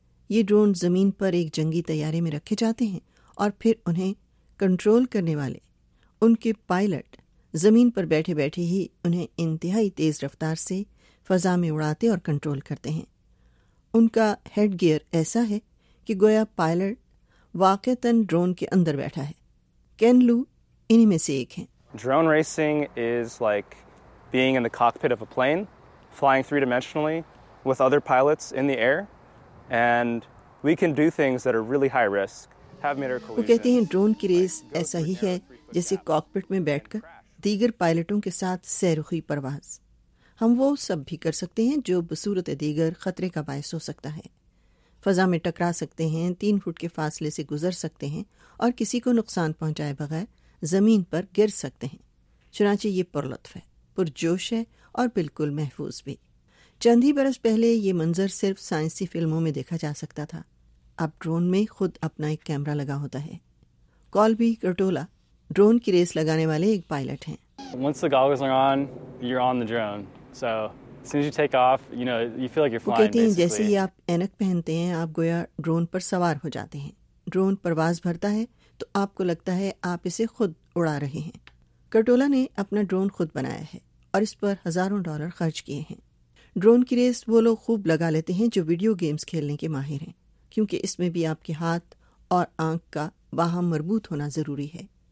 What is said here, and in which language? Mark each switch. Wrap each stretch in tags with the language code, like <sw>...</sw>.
<ur>یہ ڈرون زمین پر ایک جنگی طیارے میں رکھے جاتے ہیں اور پھر انہیں کنٹرول کرنے والے ان کے پائلٹ زمین پر بیٹھے بیٹھے ہی انہیں انتہائی تیز رفتار سے فضا میں اڑاتے اور کنٹرول کرتے ہیں. ان کا ہیڈ گیئر ایسا ہے کہ گویا پائلٹ واقعتاً ڈرون کے اندر بیٹھا ہے. کین لو انہیں میں سے ایک ہیں.</ur> <en>Drone racing is like being in the cockpit of a plane, flying three-dimensionally with other pilots in the air, and we can do things that are really high risk, have medical collisions.</en> <ur>وہ کہتے ہیں drone کی race ایسا ہی ہے جیسے cockpit میں بیٹھ کر دیگر پائلٹوں کے ساتھ سیرخی پرواز. ہم وہ سب بھی کر سکتے ہیں جو بصورت دیگر خطرے کا باعث ہو سکتا ہے. فضا میں ٹکرا سکتے ہیں, 3 فٹ کے فاصلے سے گزر سکتے ہیں اور کسی کو نقصان پہنچائے بغیر زمین پر گر سکتے ہیں. چنانچہ یہ پرلطف ہے, پرجوش ہے اور بالکل محفوظ بھی. چند ہی برس پہلے یہ منظر صرف سائنسی فلموں میں دیکھا جا سکتا تھا. اب ڈرون میں خود اپنا ایک کیمرہ لگا ہوتا ہے. کولبی کرٹولا ڈرون کی ریس لگانے والے ایک پائلٹ ہیں.</ur> <en>Once the goggles are on, you're on the drone. So, as soon as you take off, you know, you feel like you're flying.</en> <ur>کہتے ہیں جیسے ہی آپ عینک پہنتے ہیں آپ گویا ڈرون پر سوار ہو جاتے ہیں. ڈرون پرواز بھرتا ہے تو آپ کو لگتا ہے آپ اسے خود اڑا رہے ہیں. کرٹولا نے اپنا ڈرون خود بنایا ہے اور اس پر ہزاروں ڈالر خرچ کیے ہیں. ڈرون کی ریس وہ لوگ خوب لگا لیتے ہیں جو ویڈیو گیمز کھیلنے کے ماہر ہیں, کیونکہ اس میں بھی آپ کے ہاتھ اور آنکھ کا باہم مربوط ہونا ضروری ہے.</ur>